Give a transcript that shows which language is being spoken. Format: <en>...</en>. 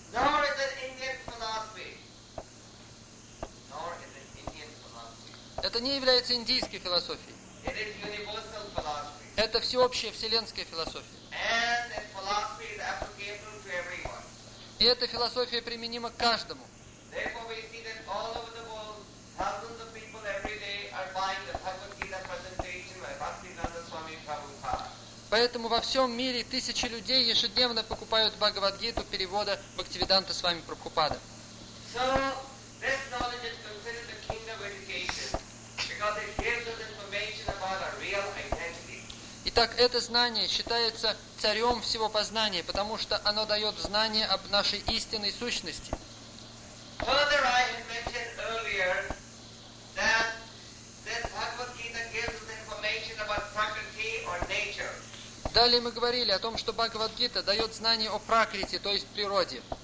<en>Nor is it Indian philosophy.</en> <ru>Это не является индийской философией.</ru> <en>It is universal philosophy.</en> <ru>Это всеобщая вселенская философия.</ru> <en>And that philosophy is applicable to everyone.</en> <ru>И эта философия применима к каждому.</ru> <en>Therefore, we see that all over the world, thousands of people every day are buying the Bhagavad-gita presentation by Bhaktivedanta Swami Prabhupada.</en> <ru>Поэтому во всем мире тысячи людей ежедневно покупают Бхагавад-гиту перевода Бхактивиданта Свами Прабхупада.</ru> <en>So, this knowledge is considered the kingdom of education, because it gives us information about our real identity.</en> <ru>Итак, это знание считается царем всего познания, потому что оно дает знание об нашей истинной сущности.</ru> <en>Further, I had mentioned earlier that this Bhagavad-gita gives us information about prakriti or nature.</en> <ru>Далее мы говорили о том, что Бхагавад-гита дает знание о пракрити, то есть природе.</ru>